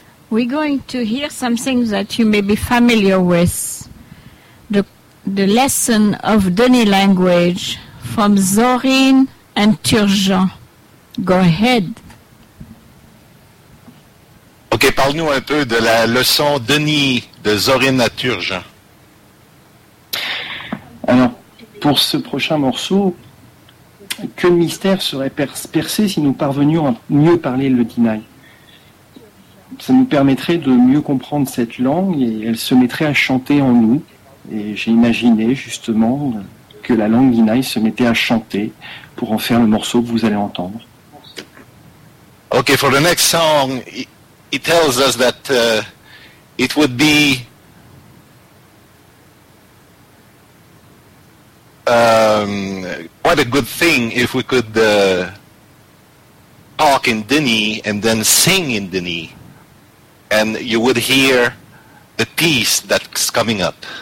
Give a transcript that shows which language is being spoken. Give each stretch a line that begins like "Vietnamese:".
English: We're going to hear something that you may be familiar with, the lesson of Dene language from Zorin and Turgeon. Go ahead.
French: Okay, parle-nous un peu de la leçon Dene de Zorin à Turgeon. Alors, pour ce prochain morceau, quel mystère serait percé si nous parvenions à mieux parler le Dene? Ça nous permettrait de mieux comprendre cette langue et elle se mettrait à chanter en nous. Et j'ai imaginé justement que la langue Dene se mettait à chanter pour en faire le morceau que vous allez entendre.
English: Okay, for the next song, he tells us that it would be quite a good thing if we could talk in Dini and then sing in Dini, and you would hear the piece that's coming up.